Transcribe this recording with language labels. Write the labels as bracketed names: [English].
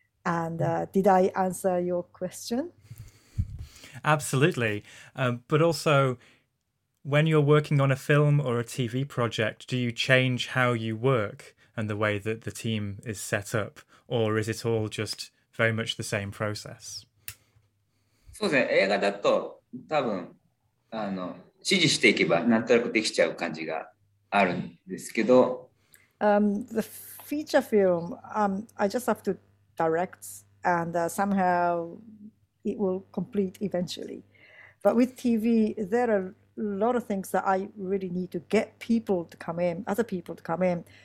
[English] And did I answer your question? Absolutely. But also, when you're working on a film or a TV project, do you change how you work and the way that the team is set up? Or is it all just very much the same process? [Japanese] そうですね、映画だと多分指示していけばなんとなくできちゃう感じがあるんですけど、 [English] The feature film, I just have to direct and somehow it will complete eventually. But with TV, there are a lot of things that I really need to get people to come in, other people to come in.